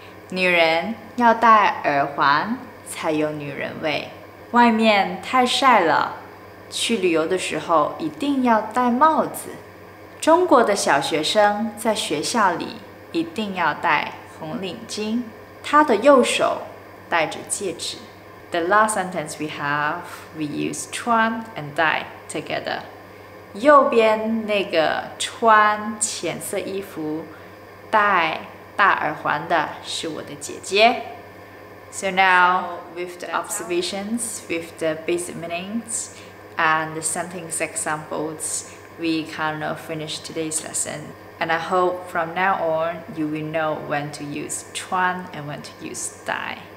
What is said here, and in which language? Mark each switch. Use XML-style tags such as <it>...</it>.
<zh>女人要戴耳环才有女人味。外面太晒了，去旅游的时候一定要戴帽子。中国的小学生在学校里一定要戴红领巾，他的右手戴着戒指。</zh> <en>The last sentence we have, we use 穿 and 戴 together.</en> <zh>右边那个穿浅色衣服、戴大耳环的是我的姐姐。</zh> <en>So now, with the observations, with the basic meanings, and the sentence examples, we kind of finish today's lesson. And I hope from now on, you will know when to use 穿 and when to use 戴.</en>